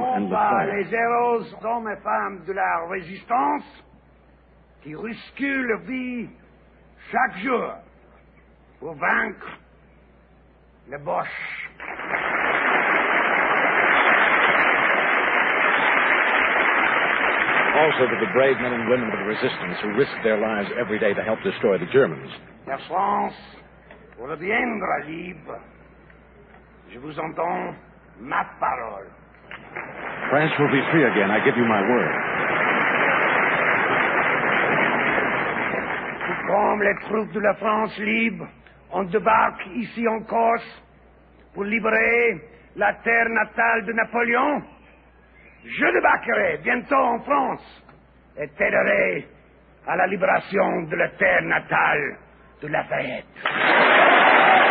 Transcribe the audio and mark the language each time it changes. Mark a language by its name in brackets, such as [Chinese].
[French] et [English] and Leclerc. [French] Nous les héros, hommes et femmes de la résistance qui risquent la vie chaque jour pour vaincre les Boches. [English] Also to the brave men and women of the resistance who risk their lives every day to help destroy the Germans. [French] La France reviendra libre. Je vous entends ma parole. [English] France will be free again, I give you my word. [French] Tout comme les troupes de la France libre, on débarque ici en Corse pour libérer la terre natale de Napoléon. Je débarquerai bientôt en France et t'aiderai à la libération de la terre natale de Lafayette.